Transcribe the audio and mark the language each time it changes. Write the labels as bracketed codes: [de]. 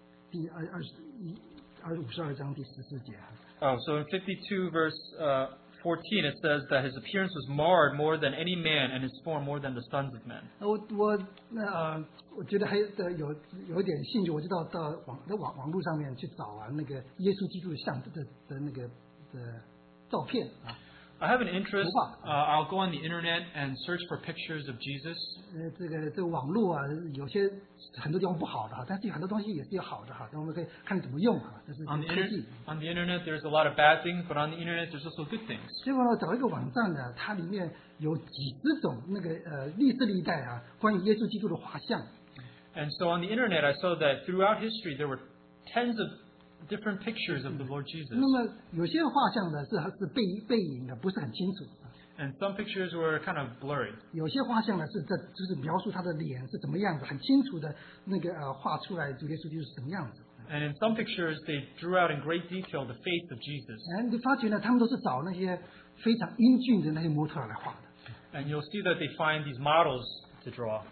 [zh] 第二二十一二五十二章第十四节。 [en] Oh, so in 52:14, it says that his appearance was marred more than any man, and his form more than the sons of men. [zh] 我觉得还有点兴趣，我就到网络上面去找啊，那个耶稣基督像的那个的照片啊。 [en] I have an interest. I'll go on the internet and search for pictures of Jesus. [zh] 这个网络啊，有些很多地方不好的哈，但是很多东西也是有好的哈，那我们可以看怎么用哈。 [en] On the internet, there's a lot of bad things, but on the internet, there's also good things. [zh] 结果呢，找一个网站呢，它里面有几十种那个历世历代啊，关于耶稣基督的画像。 [en] And so on the internet, I saw that throughout history, there were tens of different pictures of the Lord Jesus. [zh] 那么有些画像呢是背影的，不是很清楚。 [en] And some pictures were kind of blurry. [zh] 有些画像呢是在就是描述他的脸是怎么样子，很清楚的那个画出来主耶稣就是什么样子。 [en] And in some pictures they drew out in great detail the face of Jesus. [zh] And 你发觉呢，他们都是找那些非常英俊的那些模特来画的。 And you'll see that they find these models to draw.